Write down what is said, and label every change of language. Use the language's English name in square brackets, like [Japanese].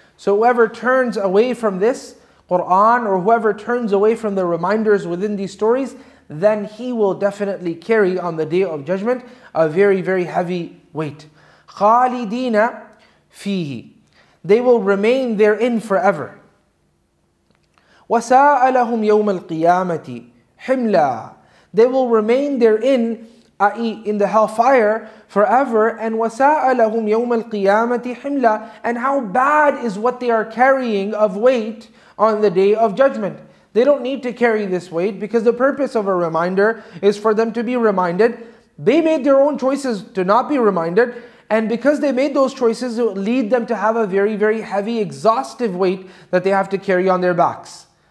[English] So whoever turns away from this Qur'an, or whoever turns away from the reminders within these stories, then he will definitely carry on the Day of Judgment a very, very heavy weight. [Arabic] خَالِدِينَ فِيهِ. [English] They will remain therein forever. [Arabic] وَسَاءَ لَهُمْ يَوْمَ الْقِيَامَةِ حِمْلًا. [English] They will remain therein, i.e. in the hellfire, forever. And [Arabic] وَسَاءَ لَهُمْ يَوْمَ الْقِيَامَةِ حِمْلًا. [English] And how bad is what they are carrying of weight on the Day of Judgment. They don't need to carry this weight, because the purpose of a reminder is for them to be reminded. They made their own choices to not be reminded, and because they made those choices, it will lead them to have a very, very heavy, exhaustive weight that they have to carry on their backs.